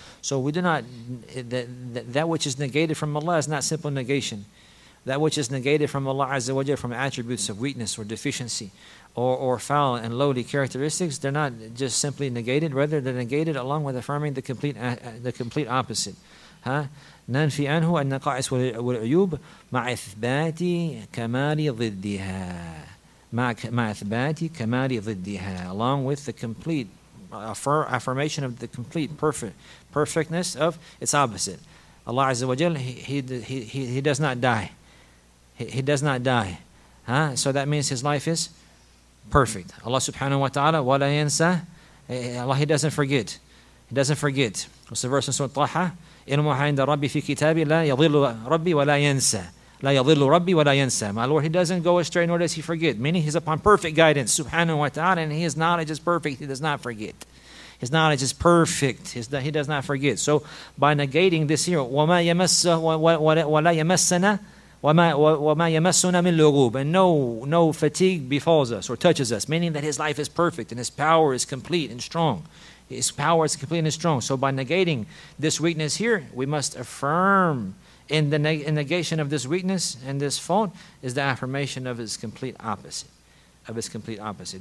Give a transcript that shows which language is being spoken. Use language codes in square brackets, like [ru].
[en] So we do not, that which is negated from Allah is not simple negation. That which is negated from Allah Azza wa Jalla from attributes of weakness or deficiency or foul and lowly characteristics, they're not just simply negated, rather they're negated along with affirming the complete opposite. Huh? [ar] ننفي عنه النقائص والعيوب مع إثبات كمال ضدها مع إثبات كمال ضدها. [en] Along with the complete affirmation of the complete perfectness of its opposite. Allah Azza wa Jalla, he does not die. He does not die. Huh? So that means His life is perfect. Allah subhanahu wa ta'ala, [ar] وَلَا يَنْسَى. [en] Allah, He doesn't forget. He doesn't forget. What's the verse in Surah Taha? [ar] إِنُمُحَا عِنْدَ رَبِّي فِي كِتَابِ لَا يَضِلُّ رَبِّي وَلَا يَنْسَى. لَا يَضِلُّ رَبِّي وَلَا يَنْسَى. [en] My Lord, He doesn't go astray, nor does He forget. Meaning He's upon perfect guidance, subhanahu wa ta'ala, and His knowledge is perfect. He does not forget. His knowledge is perfect. He does not forget. So by negating this here, [ar] وَمَا وَلَا يَمَسَّنَا وَمَا يَمَسُّنَا مِنْ لُغُوبٍ. [en] And no fatigue befalls us or touches us. Meaning that His life is perfect and His power is complete and strong. His power is complete and strong. So by negating this weakness here, we must affirm in the negation of this weakness and this fault is the affirmation of His complete opposite. of its complete opposite.